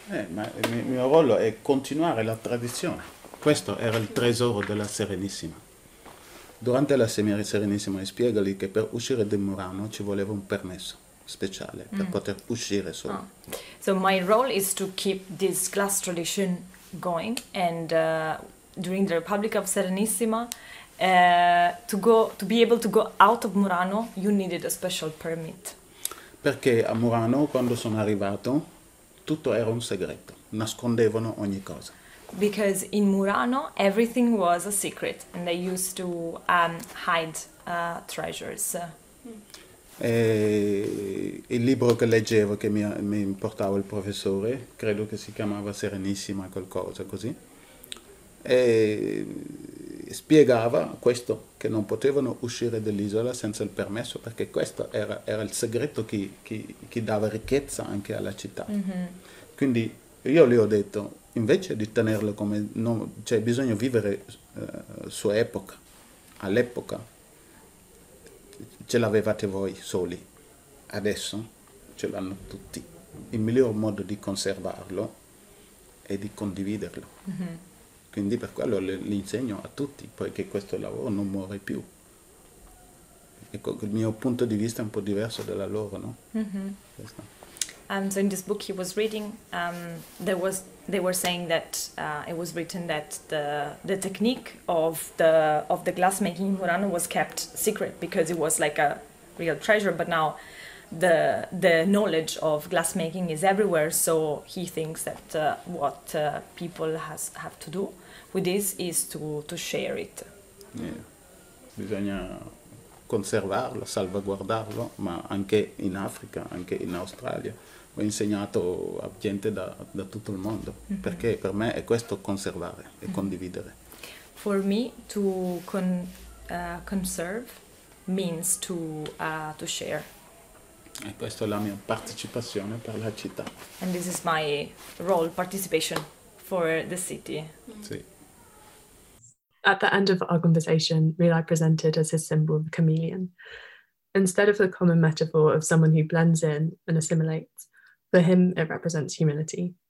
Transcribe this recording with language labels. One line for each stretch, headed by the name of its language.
Italian: Ma il mio ruolo è continuare la tradizione. Questo era il tesoro della Serenissima. Durante la Serenissima spiegali che per uscire di Murano ci voleva un permesso speciale per poter uscire solo. Oh.
English: So my role is to keep this glass tradition going, and during the Republic of Serenissima to be able to go out of Murano you needed a special permit.
Italian: Perché a Murano quando sono arrivato tutto era un segreto, nascondevano ogni cosa.
English: Because in Murano everything was a secret and they used to hide treasures.
Italian: E il libro che leggevo, che mi portava il professore, credo che si chiamava Serenissima qualcosa così, e spiegava questo, che non potevano uscire dall'isola senza il permesso, perché questo era il segreto che dava ricchezza anche alla città. Mm-hmm. Quindi io gli ho detto, invece di tenerlo come... No, cioè, bisogna vivere sua epoca. All'epoca ce l'avevate voi soli. Adesso ce l'hanno tutti. Il miglior modo di conservarlo è di condividerlo. Mm-hmm. Quindi per quello li insegno a tutti, poiché questo lavoro non muore più. Ecco, il mio punto di vista è un po' diverso dalla loro, no? Mm-hmm.
English: So in this book he was reading, they were saying that it was written that the technique of the glassmaking in Murano was kept secret because it was like a real treasure. But now the knowledge of glassmaking is everywhere. So he thinks that what people have to do with this is to share it. Yeah.
Italian: Bisogna conservarlo, salvaguardarlo, ma anche in Africa, anche in Australia. Ho insegnato a gente da tutto il mondo, mm-hmm. perché per me è questo conservare e condividere.
English: For me to conserve means to share.
Italian: E questa è la mia partecipazione per la città.
English: And this is my role, participation for the city.
Italian: Sì.
English: At the end of our conversation, Rilai presented as his symbol the chameleon. Instead of the common metaphor of someone who blends in and assimilates, for him it represents humility.